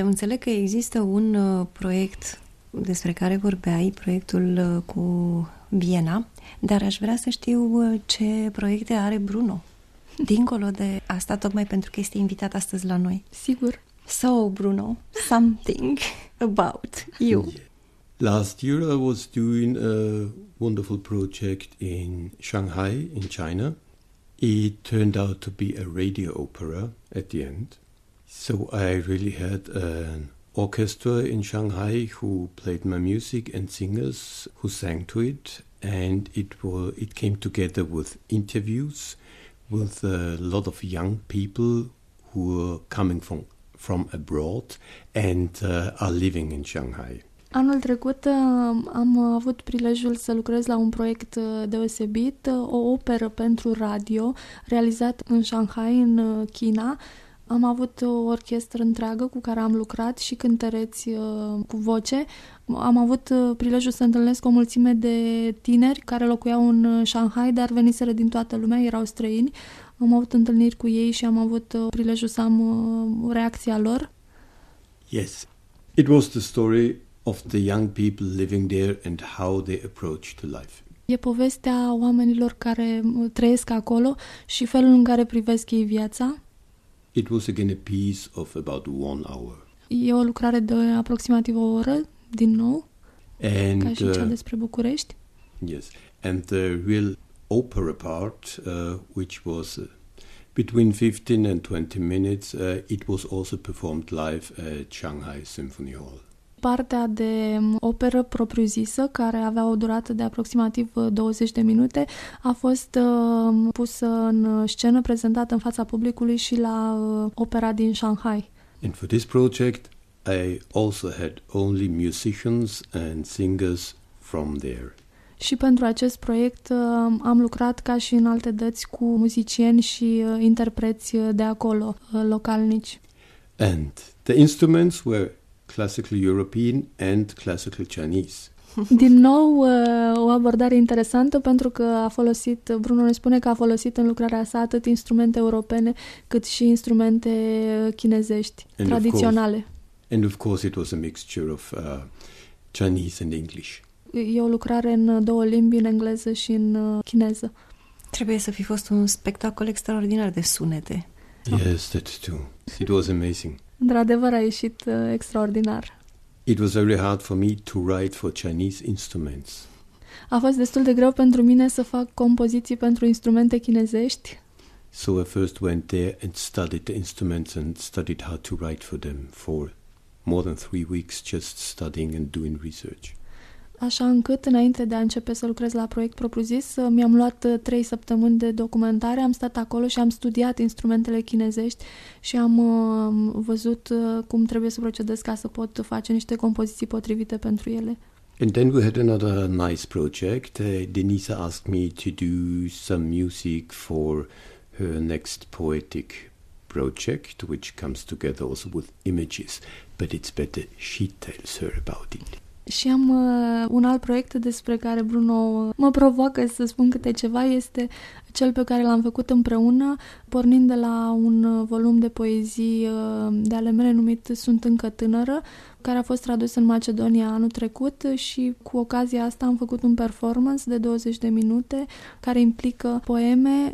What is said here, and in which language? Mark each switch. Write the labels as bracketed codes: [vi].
[ro] Înțeleg că există un proiect despre care vorbeai, proiectul cu Viena, dar aș vrea să știu ce proiecte are Bruno. Dincolo de asta, tocmai pentru că este invitat astăzi la noi. Sigur. [en] So, Bruno, something about you. Yeah. Last year I was doing a wonderful project in Shanghai, in China. It turned out to be a radio opera at the end. So I really had an orchestra in Shanghai who played my music and singers who sang to it. And it came together with interviews with a lot of young people who are coming from abroad and are living in Shanghai. [ro] Anul trecut am avut prilejul să lucrez la un proiect deosebit, o operă pentru radio realizat în Shanghai, în China. Am avut o orchestră întreagă cu care am lucrat și cântăreți cu voce. Am avut prilejul să întâlnesc o mulțime de tineri care locuiau în Shanghai, dar veniseră din toată lumea, erau străini. Am avut întâlniri cu ei și am avut prilejul să am reacția lor. [en] Yes, it was the story of the young people living there and how they approach to life. [ro] E povestea oamenilor care trăiesc acolo și felul în care privesc ei viața. [en] It was again a piece of about 1 hour. [ro] E o lucrare de aproximativ o oră, din nou. [en] And, [ro] ca și cea despre București. [en] Yes, and the real opera part, which was between 15 and 20 minutes, it was also performed live at Shanghai Symphony Hall. [ro] Partea de operă propriu-zisă, care avea o durată de aproximativ 20 de minute, a fost pusă în scenă, prezentată în fața publicului și la opera din Shanghai. [en] And for this project, I also had only musicians and singers from there. [ro] Și pentru acest proiect am lucrat ca și în alte dăți cu muzicieni și interpreți de acolo, localnici. [en] And the instruments were classical European and classical Chinese. [ro] Din nou o abordare interesantă, pentru că a folosit, Bruno ne spune că a folosit în lucrarea sa atât instrumente europene cât și instrumente chinezești, [en] and [ro] tradiționale. [en] Of course, And of course it was a mixture of Chinese and English. [ro] E o lucrare în două limbi, în engleză și în chineză. Trebuie să fi fost un spectacol extraordinar de sunete. [en] Yes, that too. It was amazing. [ro] Într-adevăr a ieșit extraordinar. [en] It was very hard for me to write for Chinese instruments. [ro] A fost destul de greu pentru mine să fac compoziții pentru instrumente chinezești. [en] So I first went there and studied the instruments and studied how to write for them for more than 3 weeks, just studying and doing research. [ro] Așa încât, înainte de a începe să lucrez la proiect propriu-zis, mi-am luat 3 săptămâni de documentare, am stat acolo și am studiat instrumentele chinezești și am văzut cum trebuie să procedez ca să pot face niște compoziții potrivite pentru ele. [en] And then we had another nice project. Denisa asked me to do some music for her next poetic project, which comes together also with images, but it's better she tells her about it. [ro] Și am un alt proiect despre care Bruno mă provoacă să spun câte ceva, este cel pe care l-am făcut împreună, pornind de la un volum de poezii de ale mele numit Sunt încă tânără, care a fost tradus în Macedonia anul trecut și cu ocazia asta am făcut un performance de 20 de minute care implică poeme.